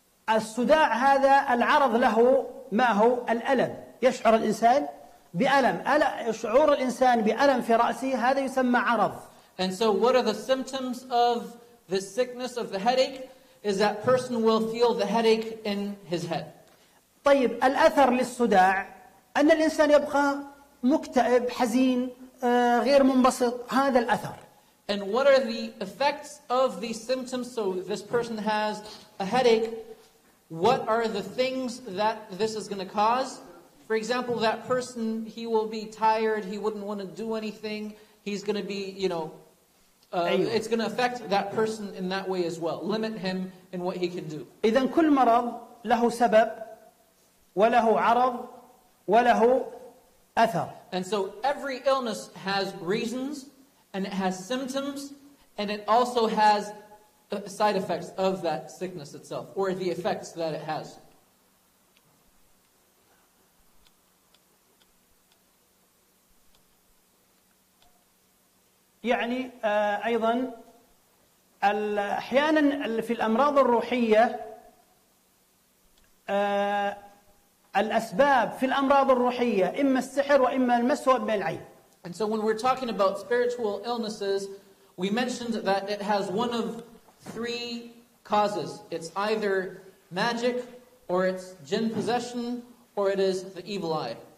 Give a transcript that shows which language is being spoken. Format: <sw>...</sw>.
<ar>الصداع هذا العرض له ما هو الألم يشعر الإنسان بألم شعور الإنسان بألم في رأسه هذا يسمى عرض.</ar> <en>And so what are the symptoms of the sickness of the headache is that person will feel the headache in his head.</en> <ar>طيب الأثر للصداع أن الإنسان يبقى مكتئب حزين غير منبسط هذا الأثر.</ar> <en>And what are the effects of these symptoms? So this person has a headache. What are the things that this is going to cause? For example, that person, he will be tired. He wouldn't want to do anything. He's going to be, you know, it's going to affect that person in that way as well. Limit him in what he can do.</en> <ar>إذن كل مرض له سبب وله عرض وله أثر.</ar> <en>And so every illness has reasons. And it has symptoms, and it also has side effects of that sickness itself, or the effects that it has.</en> <ar>يعني أيضا أحيانا في الأمراض الروحية الأسباب في الأمراض الروحية إما السحر وإما المسواس من العين.</ar> <en>And so when we're talking about spiritual illnesses, we mentioned that it has one of 3 causes. It's either magic, or it's jinn possession, or it is the evil eye.</en>